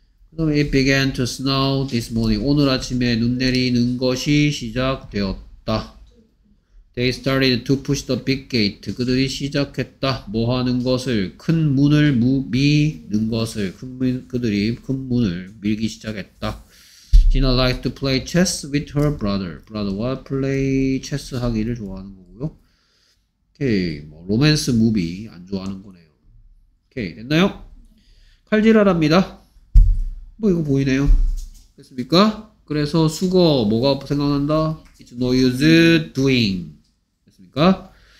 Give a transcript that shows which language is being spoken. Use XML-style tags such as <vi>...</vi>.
<ko>그 다음에</ko> <en>it began to snow this morning.</en> <ko>오늘 아침에 눈 내리는 것이 시작되었다.</ko> <en>They started to push the big gate.</en> <ko>그들이 시작했다. 뭐 하는 것을? 큰 문을 미는 것을. 그들이 큰 문을 밀기 시작했다.</ko> <en>Gina likes to play chess with her brother.</en> <ko>브라더와</ko> <en>play chess</en> <ko>하기를 좋아하는 거고요. 오케이, 뭐 로맨스 무비 안 좋아하는 거네요. 오케이, 됐나요? 칼질하랍니다. 뭐 이거 보이네요. 됐습니까? 그래서 수거 뭐가 생각난다?</ko> <en>It's no use doing.</en> <ko>됐습니까?</ko>